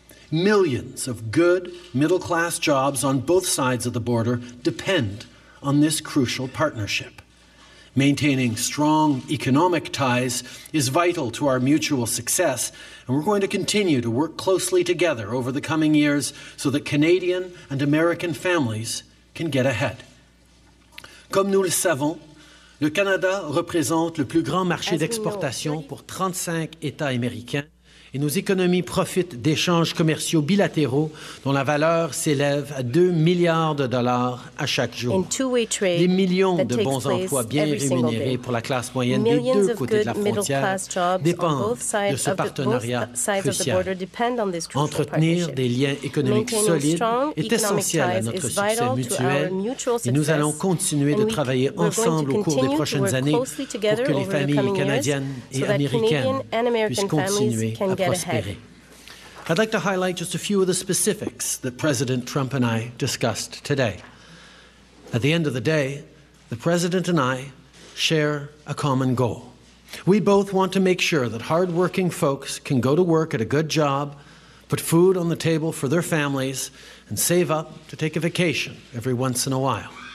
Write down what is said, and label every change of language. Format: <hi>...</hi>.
<en>Millions of good, middle-class jobs on both sides of the border depend on this crucial partnership. Maintaining strong economic ties is vital to our mutual success, and we're going to continue to work closely together over the coming years so that Canadian and American families can get ahead.</en> <fr>Comme nous le savons, le Canada représente le plus grand marché d'exportation pour 35 États américains, et nos économies profitent d'échanges commerciaux bilatéraux dont la valeur s'élève à 2 milliards de dollars à chaque jour. Des millions de bons emplois bien rémunérés pour la classe moyenne des deux côtés de la frontière dépendent de ce partenariat crucial. Entretenir des liens économiques solides est essentiel à notre succès mutuel et nous allons continuer de travailler ensemble au cours des prochaines années pour que les familles canadiennes et américaines puissent continuer à prospérer.</fr> <en>I'd like to highlight just a few of the specifics that President Trump and I discussed today. At the end of the day, the President and I share a common goal. We both want to make sure that hardworking folks can go to work at a good job, put food on the table for their families, and save up to take a vacation every once in a while.</en>